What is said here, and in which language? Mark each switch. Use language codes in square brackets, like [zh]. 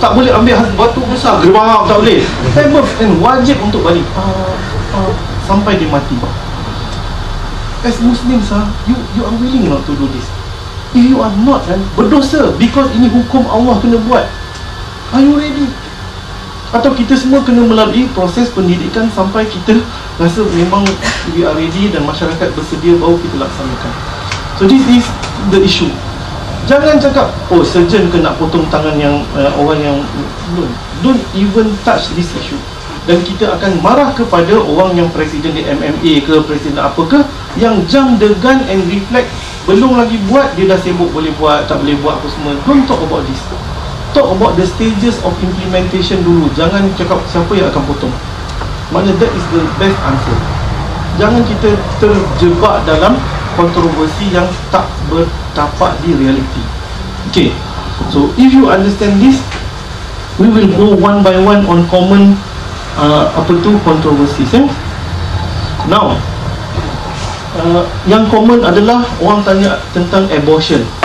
[ms] Tak boleh ambil batu besar, gerbang, tak boleh. Pebbles kan wajib untuk balik sampai dia mati. [en] As Muslims, you are willing not to do this? If you are not, then berdosa. Because [ms] ini hukum Allah kena buat. [en] Are you ready? [ms] Atau kita semua kena melalui proses pendidikan sampai kita rasa memang [en] we are ready [ms] dan masyarakat bersedia bahawa kita laksanakan. [en] So this is the issue. [ms] Jangan cakap, oh, surgeon kena potong tangan yang orang yang [en] don't even touch this issue. [ms] Dan kita akan marah kepada orang yang presiden di MMA ke presiden apa ke yang [en] jump the gun and reflect [ms] belum lagi buat, dia dah sibuk boleh buat, tak boleh buat apa semua. [en] Don't talk about this. Talk about the stages of implementation [ms] dulu. Jangan cakap siapa yang akan potong. Maksudnya, [en] that is the best answer. [ms] Jangan kita terjebak dalam kontroversi yang tak bertapak di realiti. [en] Okay, so if you understand this, we will go one by one on common [ms] apa tu [en] controversies. Eh? [ms] Now, yang common adalah orang tanya tentang abortion.